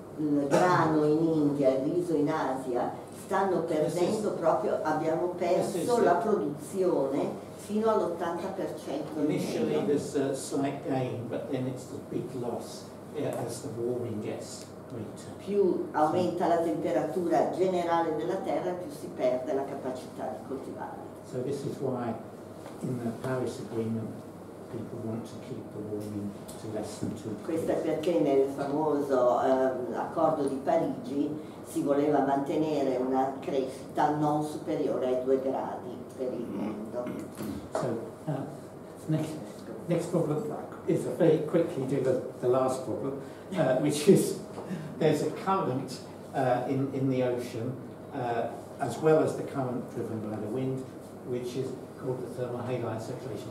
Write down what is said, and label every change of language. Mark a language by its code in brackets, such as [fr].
[it] Il grano in India, il riso in Asia, stanno perdendo proprio, abbiamo perso la produzione fino all'80%. [en] Initially there's a slight gain, but then it's the big loss as the warming gets. [it] Più aumenta la temperatura generale della Terra, più si perde la capacità di coltivare. [en] So this is why in the Paris Agreement people want to keep the warming to less than 2 degrees. [it] Questo è perché nel famoso accordo di Parigi si voleva mantenere una crescita non superiore ai 2 gradi per il mondo. [en] So next problem is a very quickly do the last problem, which is there's a current in the ocean, as well as the current driven by the wind, which is called the thermal haline circulation.